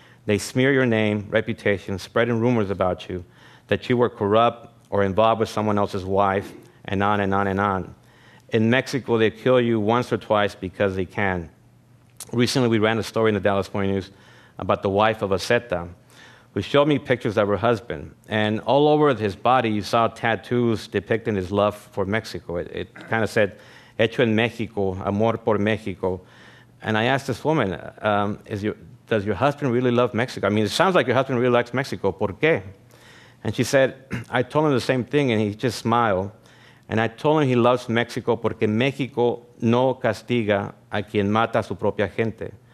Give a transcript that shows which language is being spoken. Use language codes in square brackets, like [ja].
[en] They smear your name, reputation, spreading rumors about you, that you were corrupt or involved with someone else's wife, and on and on and on. In Mexico, they kill you once or twice because they can. Recently, we ran a story in the Dallas Morning News about the wife of Aceta, who showed me pictures of her husband. And all over his body, you saw tattoos depicting his love for Mexico. It kind of said, [es] hecho en México, amor por México. [en] And I asked this woman, does your husband really love Mexico? I mean, it sounds like your husband really likes Mexico. [es] ¿Por qué? [en] And she said, I told him the same thing, and he just smiled. And I told him he loves Mexico [es] porque México no castiga a quien mata su propia gente.